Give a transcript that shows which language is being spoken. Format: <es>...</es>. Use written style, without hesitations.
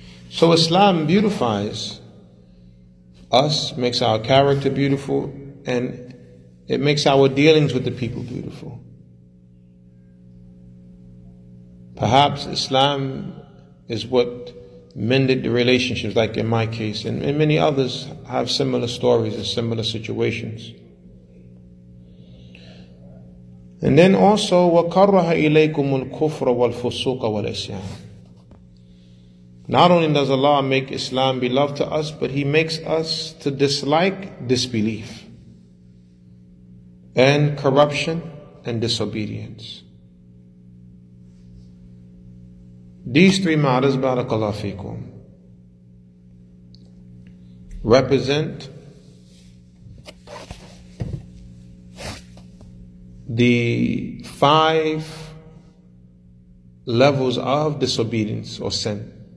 <en>So Islam beautifies us, makes our character beautiful, and it makes our dealings with the people beautiful. Perhaps Islam is what mended the relationships, like in my case, and many others have similar stories and similar situations. And then also,</en> <ar>وَكَرَّهَ إِلَيْكُمُ الْكُفْرَ وَالْفُسُوقَ وَالْإِسْيَانَ.</ar> <en>Not only does Allah make Islam beloved to us, but He makes us to dislike disbelief and corruption and disobedience. These three matters, barakallahu fikum, represent the five levels of disobedience or sin.</en>